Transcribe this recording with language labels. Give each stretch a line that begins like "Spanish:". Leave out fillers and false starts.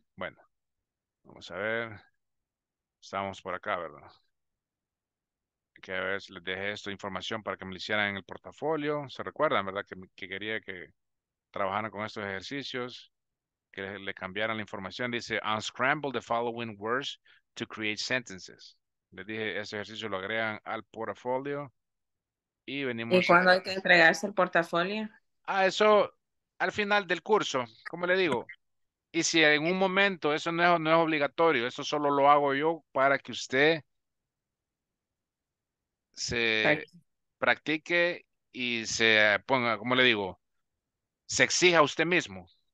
Spanish: Bueno, vamos a ver. Estamos por acá, ¿verdad? Que a ver si les dejé esta información para que me lo hicieran en el portafolio. ¿Se recuerdan, verdad? Que quería que trabajaran con estos ejercicios, que le cambiaran la información.
English: Dice, unscramble the following words to create sentences.
Spanish: Les dije, ese ejercicio lo agregan al portafolio. ¿Y venimos y cuándo hay que entregarse el portafolio? Ah, eso al final del curso, como le digo. Y si en un momento, eso no es obligatorio, eso solo lo hago yo para que usted se practique y se ponga, como le digo, se exija a usted mismo.